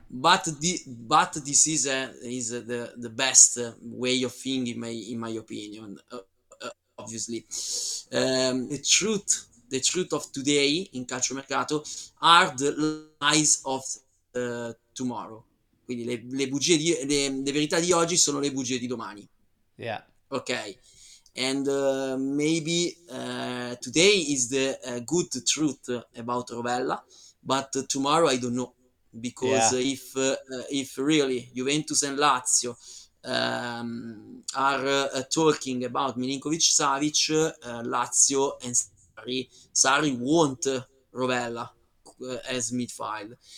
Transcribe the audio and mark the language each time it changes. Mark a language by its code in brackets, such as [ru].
[en] but this is the best way of thinking in my opinion. Obviously, the truth of today in calcio mercato are the lies of tomorrow. [it] Quindi le bugie di le verità di oggi sono le bugie di domani. [en] Yeah. Okay. And maybe today is the good truth about Rovella, but tomorrow I don't know, because yeah. if really Juventus and Lazio are talking about Milinkovic-Savic, Lazio and Sarri want Rovella as midfield.